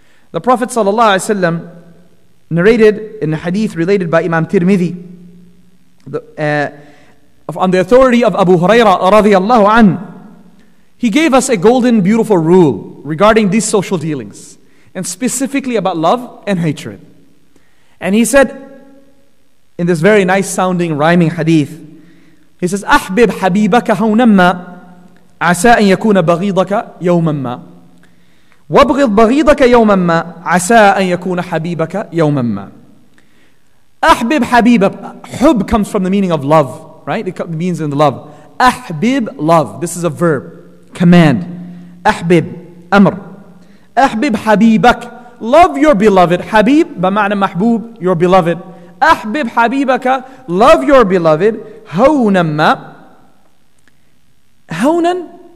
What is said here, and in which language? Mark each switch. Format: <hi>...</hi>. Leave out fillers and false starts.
<en>The Prophet sallallahu alaihi wasallam narrated in a hadith related by Imam Tirmidhi, on the authority of Abu Huraira radiallahu anhu. He gave us a golden, beautiful rule regarding these social dealings, and specifically about love and hatred. And he said, in this very nice sounding, rhyming hadith, he says,</en> <ar>أحبب حبيبك هونما عسى أن يكون بغيضك يومما وابغض بغيضك يومما عسى أن يكون حبيبك يومما. أحبب حبيبك.</ar> <en>Hub comes from the meaning of love, right? It means in the love. أحبب, love. This is a verb.</en> <ar>command. أحبب أمر. أحبب حبيبك.</ar> <en>Love your beloved.</en> <ar>حبيب بمعنى محبوب.</ar> <en>Your beloved.</en> <ar>أحبب حبيبك.</ar> <en>Love your beloved.</en> <ar>هونما. هونن.</ar>